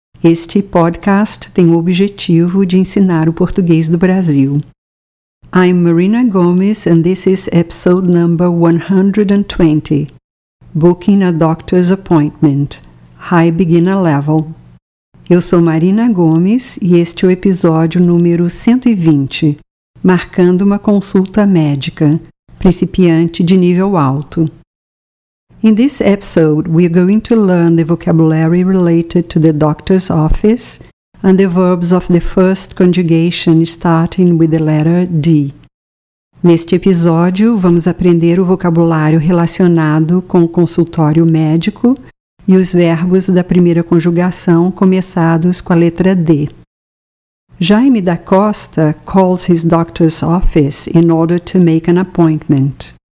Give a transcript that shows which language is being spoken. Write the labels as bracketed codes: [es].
[pt] Este podcast tem o objetivo de ensinar o português do Brasil. [en] I'm Marina Gomes and this is episode number 120. Booking a doctor's appointment. High beginner level. [pt] Eu sou Marina Gomes e este é o episódio número 120. Marcando uma consulta médica, principiante de nível alto. [en] In this episode, we are going to learn the vocabulary related to the doctor's office and the verbs of the first conjugation starting with the letter D. [pt] Neste episódio, vamos aprender o vocabulário relacionado com o consultório médico e os verbos da primeira conjugação começados com a letra D. [en] Jaime da Costa calls his doctor's office in order to make an appointment.